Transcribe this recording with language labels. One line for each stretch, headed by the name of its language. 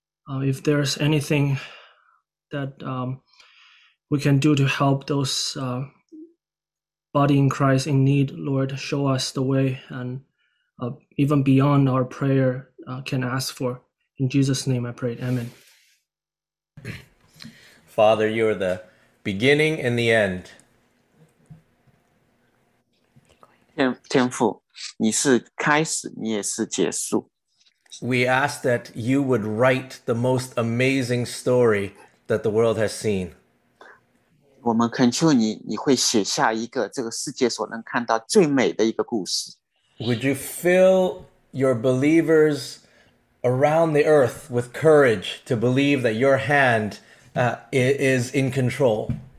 English: If there's anything that we can do to help those body in Christ in need, Lord, show us the way, and even beyond our prayer can ask for. In Jesus' name I pray, amen. Father, you are the beginning and the end.
Chinese: 天父, 你是开始, 你也是结束。
English: We ask that you would write the most amazing story that the world has seen.
Chinese: 我们恳求你，你会写下一个这个世界所能看到最美的一个故事。
English: Would you fill your believers around the earth with courage to believe that your hand is in control?